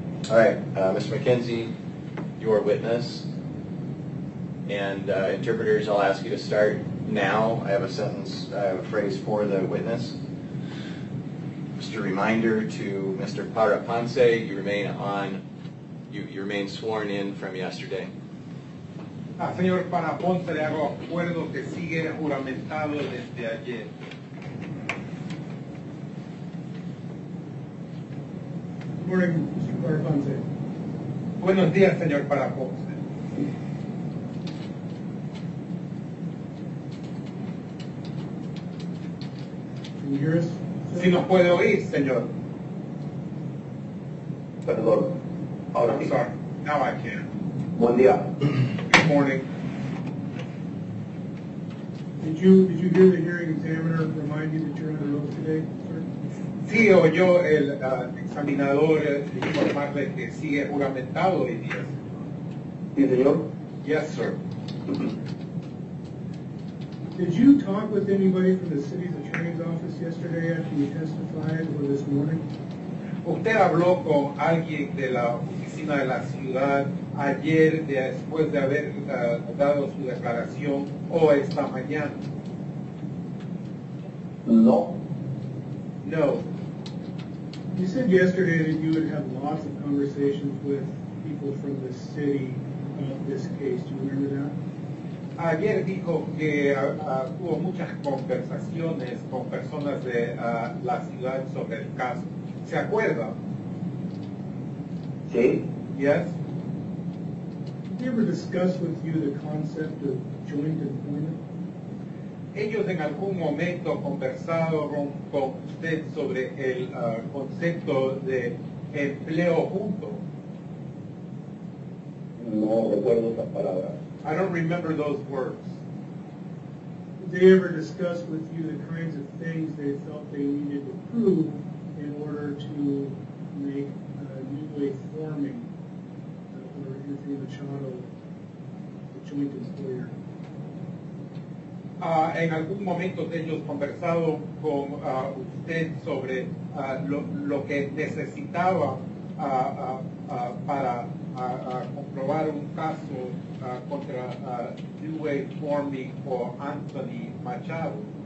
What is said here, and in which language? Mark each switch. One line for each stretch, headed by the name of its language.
English: All right, Mr. McKenzie, your witness. And interpreters, I'll ask you to start now. I have a sentence, I have a phrase for the witness. Just a reminder to Mr. Parapanse, you remain on, you remain sworn in from yesterday.
Spanish: Señor Parapanse, le hago acuerdo que sigue juramentado desde ayer.
English: Good morning, Mr. Parapanse.
Spanish: Buenos días, Señor Parapanse.
English: Can you hear us?
Spanish: Si nos puede oír, Señor. Perdón. Ahora
English: I'm sorry. Now I can.
Spanish: Buen día.
English: Good morning. Did you hear the hearing examiner remind you that you're under oath today?
Spanish: Sí, oyó el examinador informarle que sigue juramentado hoy día. ¿Sí, señor?
English: Yes, sir. Did you talk with anybody from the city's attorney's office yesterday after you testified or this morning?
Spanish: ¿Usted habló con alguien de la oficina de la ciudad ayer después de haber dado su declaración o esta mañana? No.
English: No. You said yesterday that you would have lots of conversations with people from the city about this case. Do you remember that?
Spanish: Ayer dijo que tuvo muchas conversaciones con personas de la ciudad sobre el caso. ¿Se acuerda? Sí.
English: Yes. Did they ever discuss with you the concept of joint employment?
Spanish: ¿Ellos en algún momento conversaron con usted sobre el concepto de empleo junto? No recuerdo esas palabras.
English: I don't remember those words. Did they ever discuss with you the kinds of things they felt they needed to prove in order to make newly forming or Anthony Machado a joint employer?
Spanish: En algún momento ellos conversaron con usted sobre lo que necesitaba para comprobar un caso contra New Way Forming o Anthony Machado.